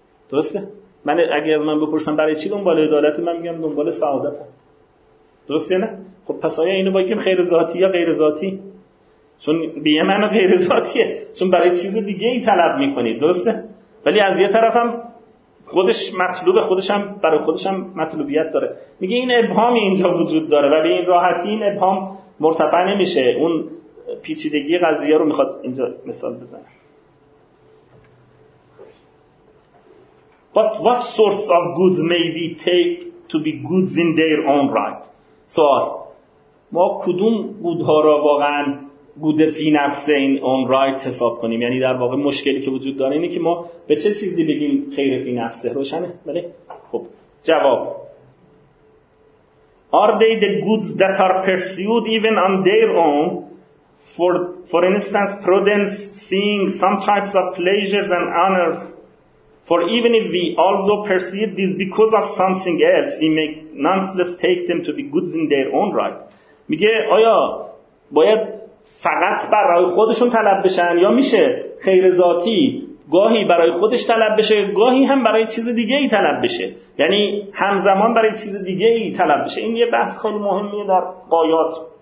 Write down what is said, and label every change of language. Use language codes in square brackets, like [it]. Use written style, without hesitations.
[fa] درسته؟ من اگه از من بپرسن برای چی دنبال عدالت، من میگم دنبال سعادتم، درسته نه؟ خب پس آیا اینو باید خیر ذاتی یا غیر ذاتی؟ چون به یه معنی غیر ذاتیه، چون برای چیز دیگه ای طلب میکنید، درسته؟ ولی از یه طرف هم خودش مطلوب، خودش هم برای خودش هم مطلوبیت داره. میگه این ابهام اینجا وجود داره، ولی این راحتی این ابهام مرتفع نمیشه، اون پیچیدگی قضیه رو میخواد اینجا مثال بزنه. [en] But what sorts of goods may we take to be goods in their own right? [fa] سوال، ما کدوم گودها را واقعا گود فی نفسه [en] این اون رایت [fa] حساب کنیم؟ یعنی در واقع مشکلی که وجود داره اینه که ما به چه چیزی بگیم خیر فی نفسه. روشنه؟ بله؟ خب جواب، [en] Are they the goods that are pursued even on their own? For instance, prudence, seeing, some types of pleasures and honors. For even if we also pursue this because of something else, we may nonetheless take them to be goods in their own right. [fa] میگه آیا باید فقط برای خودشون طلب بشن، یا میشه خیر ذاتی گاهی برای خودش طلب بشه، گاهی هم برای چیز دیگه ای طلب بشه، یعنی همزمان برای چیز دیگه ای طلب بشه؟ این یه بحث خیلی مهمیه در قایات.